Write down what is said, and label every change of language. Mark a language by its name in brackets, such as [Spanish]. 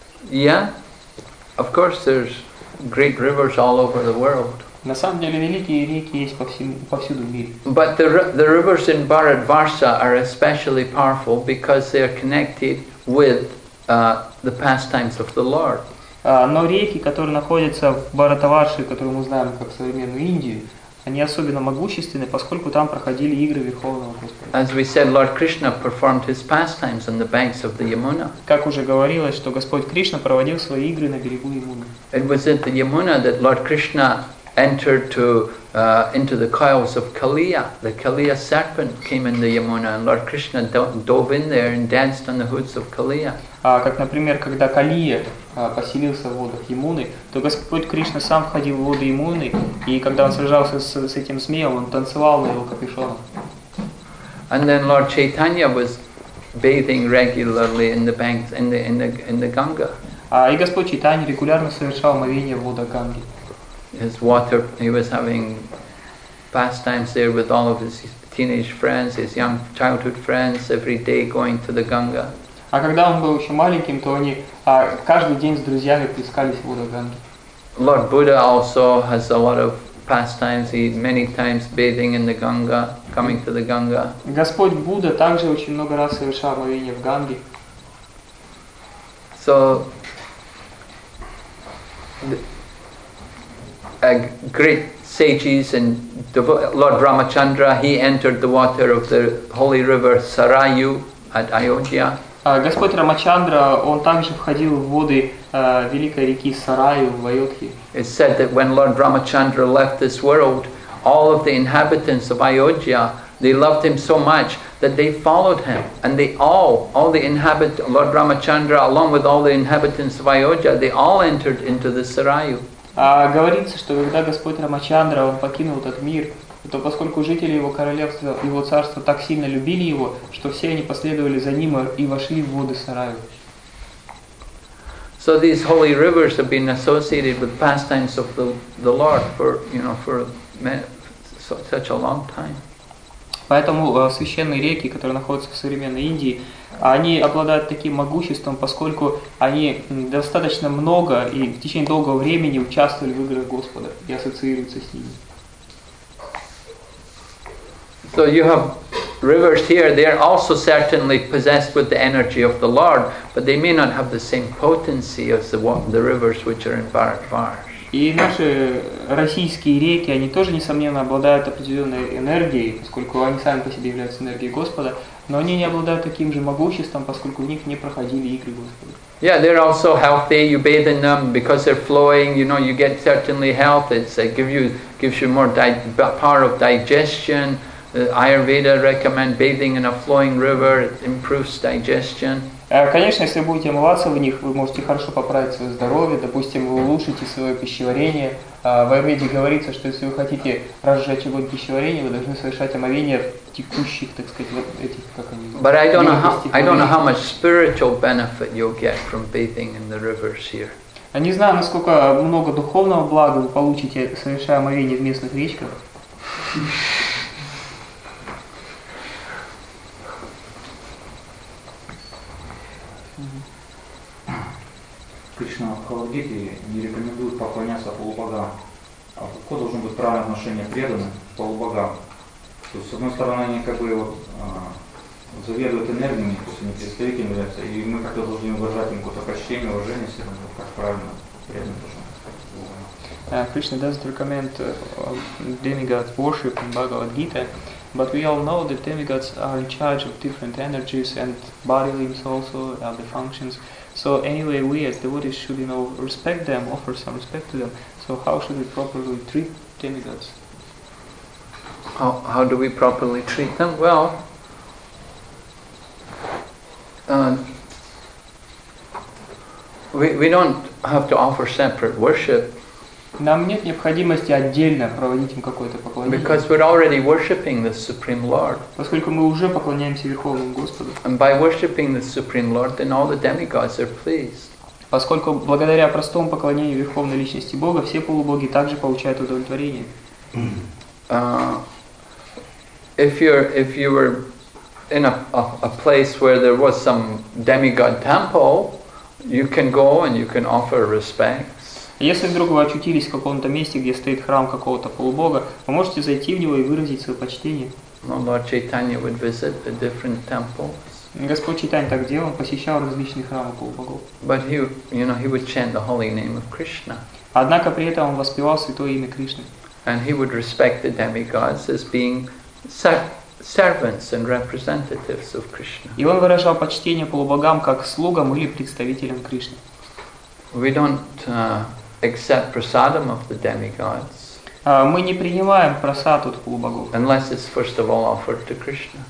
[English] Yeah, of course there's great rivers all over the world. [Russian] На самом деле великие реки есть повсюду в мире. [English] But the rivers in Bharatavarsha are especially powerful because they are connected with the pastimes of the Lord. [Russian] Но реки, которые находятся в Бхаратаварше, которую мы знаем как современную Индию, они особенно могущественны, поскольку там проходили игры Верховного Господа. [English] As we said, Lord Krishna performed his pastimes on the banks of the Yamuna. [Russian] Как уже говорилось, что Господь Кришна проводил свои игры на берегу Ямуны. [English] It was at the Yamuna that Lord Krishna entered into the coils of Kaliya. The Kaliya serpent came in the Yamuna, and Lord Krishna dove in there and danced on the hoods of Kaliya. [Russian] Как, например, когда Калия поселился в водах Ямуны, то Господь Кришна сам входил в воды Ямуны, и когда он сражался с этим змеем, он танцевал на его капюшоне. [English] And then Lord Chaitanya was bathing regularly in the banks in the Ganga. [Russian] И Господь Чайтанья регулярно совершал омовение в водах Ганги. [English] His water, he was having pastimes there with all of his teenage friends, his young childhood friends, every day going to the Ganga. [Russian] А когда он был еще маленьким, то они каждый день с друзьями плескались в водах Ганги. [English] Lord Buddha also has a lot of pastimes. He many times bathing in the Ganga, coming to the Ganga. [Russian] Господь Будда также очень много раз совершал омовение в Ганге. [English] So a great sages and Lord Ramachandra, he entered the water of the holy river Sarayu at Ayodhya. [Russian] Господь Рамачандра, он также входил в воды великой реки Сараю в Айодхе. [English] It said that when Lord Ramachandra left this world, all of the inhabitants of Ayodhya, they loved him so much that they followed him, and they all the inhabitants, Lord Ramachandra, along with all the inhabitants of Ayodhya, they all entered into the Sarayu. [Russian] Говорится, что когда Господь Рамачандра он покинул этот мир, то поскольку жители его королевства, его царства так сильно любили его, что все они последовали за ним и вошли в воды Сараю. [English] So these holy rivers have been associated with pastimes of the Lord for, you know, for such a long time. [Russian] Поэтому священные реки, которые находятся в современной Индии, они обладают таким могуществом, поскольку они достаточно много и в течение долгого времени участвовали в играх Господа и ассоциируются с ними. [English] So you have rivers here, they are also certainly possessed with the energy of the Lord, but they may not have the same potency as the rivers which are in Bharatvarsh. [Russian] И наши российские реки, они тоже, несомненно, обладают определенной энергией, поскольку они сами по себе являются энергией Господа, но они не обладают таким же могуществом, поскольку в них не проходили игры Господа. [English] Yeah, they're also healthy. You bathe in them because they're flowing. You know, you get certainly health. It gives you more power of digestion. Ayurveda recommend bathing in a flowing river, it improves digestion. [Russian] Конечно, если будете омываться в них, вы можете хорошо поправить свое здоровье, допустим, вы улучшите свое пищеварение. В Айурведе говорится, что если вы хотите разжечь огонь пищеварения, вы должны совершать омовение в текущих, так сказать, вот этих, как они называются. [English] But I don't know how much spiritual benefit you'll get from bathing in the rivers here. [Russian] Я не знаю, насколько много духовного блага вы получите, совершая омовение в местных речках. Кришна Бхагавадгите не рекомендует поклоняться полубогам. А какое должно быть правильное отношение преданных к полубогам? что с одной стороны они как бы вот заведуют энергиями, то есть они представители являются, и мы как-то должны уважать им какое-то почтение, уважение, все равно, как правильно, приятно тоже. [English] Krishna does recommend demigods worship in Bhagavad Gita, but we all know that demigods are in charge of different energies and body limbs also, other functions. So anyway, we as devotees should, you know, respect them, offer some respect to them. So how should we properly treat demigods? How do we properly treat them? Well, we don't have to offer separate worship. [Russian] Нам нет необходимости отдельно проводить им какое-то поклонение. [English] Because we're already worshiping the Supreme Lord. [Russian] Поскольку мы уже поклоняемся Верховному Господу. [English] And by worshiping the Supreme Lord, then all the demigods are pleased. [Russian] Поскольку благодаря простому поклонению Верховной Личности Бога, все полубоги также получают удовлетворение. [English] If you were in a place where there was some demigod temple, you can go and you can offer respect. [Russian] Если вдруг вы очутились в каком-то месте, где стоит храм какого-то полубога, вы можете зайти в него и выразить свое почтение. [English] Lord Chaitanya would visit the different temples. [Russian] Господь Чайтанья так делал, он посещал различные храмы полубогов. [English] But he, you know, he would chant the holy name of Krishna. [Russian] Однако при этом он воспевал святое имя Кришны. [English] And he would respect the demigods as being servants and representatives of Krishna. [Russian] И он выражал почтение полубогам как слугам или представителям Кришны. [English] We don't accept prasadam of the demigods. [Russian] Мы не принимаем прасад от полубогов. [English] Unless it's first of all offered to Krishna.